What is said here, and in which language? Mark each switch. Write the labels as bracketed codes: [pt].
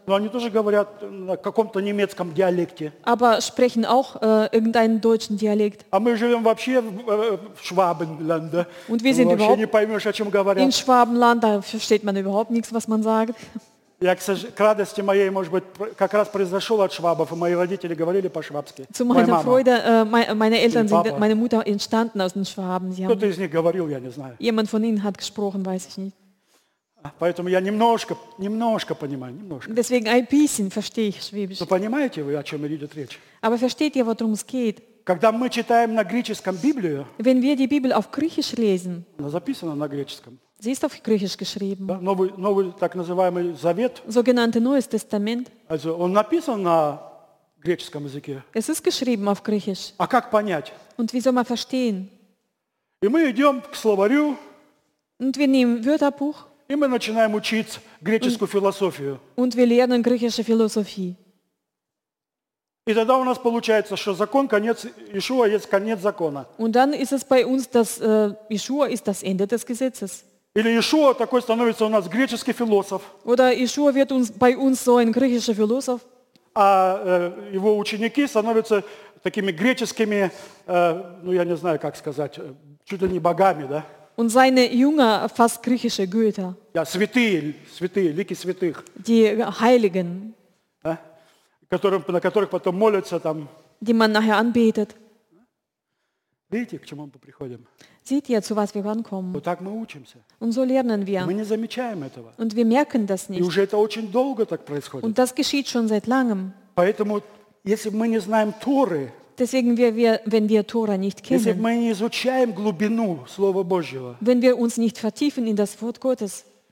[ru] Но они тоже говорят на каком-то немецком диалекте. [de] Aber sprechen auch irgendeinen deutschen Dialekt. [ru] А мы живем вообще в Швабенленде. [de] Und wir sind [ru] вообще не поймешь, о чем говорят. [de] In Schwabenland, da versteht man überhaupt nichts, was man sagt. [ru] Я, к радости моей, может быть, как раз произошел от швабов, и мои родители говорили по-швабски. [de] Zu meiner Freude, meine Eltern sind, meine Mutter entstanden aus den Schwaben. Sie haben, [ru] Кто-то из них говорил, я не знаю. [de] Jemand von ihnen hat gesprochen, weiß ich nicht. [ru] Поэтому я немножко понимаю, немножко. [de] Deswegen ein bisschen verstehe ich Schwäbisch. [ru] Но понимаете вы, о чем идет речь? [de] Aber versteht ihr, worum es geht? [ru] Когда мы читаем на греческом Библию, [de] wenn wir die Bibel auf Griechisch lesen, [ru] она записана на греческом. [de] Sie ist auf Griechisch geschrieben. [ru] Да? Новый так называемый Завет. [de] Sogenannte Neues Testament. Also [ru] он написан на греческом языке. [de] Es ist geschrieben auf Griechisch. [ru] А как понять? [de] Und wie soll man verstehen? [ru] И мы идем к словарю. [de] Und wir nehmen Wörterbuch. [ru] И мы начинаем учить греческую философию. [de] Und wir lernen griechische Philosophie. [ru] И тогда у нас получается, что закон конец Иешуа есть конец закона. [de] Und dann ist es bei uns, dass Иешуа ist das Ende des Gesetzes. [ru] Или Иешуа такой становится у нас греческий философ. [de] Oder Иешуа wird uns bei uns so ein griechischer Philosoph. [ru] А его ученики становятся такими греческими, ну я не знаю, как сказать, чуть ли не богами, да? [de] Und seine Jünger, fast griechische Götter. Ja, [ru] святые, святые, лики святых. [de] Die Heiligen. Ja, [ru] которым, на которых потом молятся там. [de] Die man nachher anbetet. [ru] Видите, к чему мы приходим? [de] Seht ihr, zu was wir ankommen? [ru] Вот так мы учимся. [de] Und so lernen wir. [ru] Мы не замечаем этого. [de] Und wir merken das nicht. [ru] И уже это очень долго так происходит. [de] Und das geschieht schon seit langem. [ru] Поэтому, если мы не знаем Торы, [de] Deswegen, wenn wir Tora nicht kennen, [ru] Божьего, [de] wenn wir uns nicht vertiefen in das Wort Gottes,